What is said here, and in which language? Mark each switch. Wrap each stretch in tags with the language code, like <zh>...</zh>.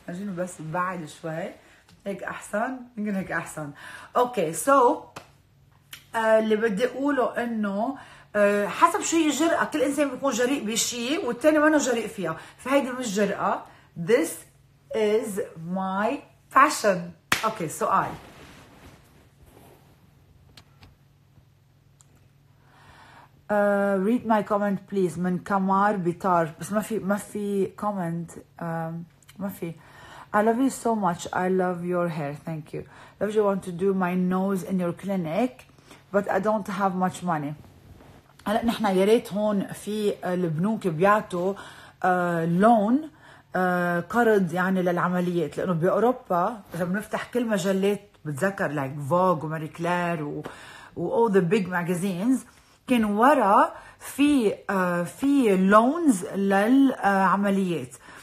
<ar>اجينا بس بعد شوي هيك احسن، يمكن هيك احسن. اوكي سو اللي بدي اقوله انه حسب شو هي الجرأة، كل انسان بيكون جريء بشيء والتاني ما انه جريء فيها، فهيدي مش جرأة.</ar> <en>This is my passion.</en> <ar>اوكي سؤال،</ar> <en>read my comment please.</en> <ar>من كمار بيطار بس ما في comment. ما في.</ar> <en>I love you so much. I love your hair. Thank you. Love you. Want to do my nose in your clinic, but I don't have much money.</en> <ar>هلا نحن يا ريت هون في البنوك بيعطوا لون قرض يعني للعمليات، لانه باوروبا اذا بنفتح كل مجلات بتذكر لايك فوغ وماري كلير</ar> <en>wow the big magazines</en> <ar>كان ورا في لونز للعمليات.</ar>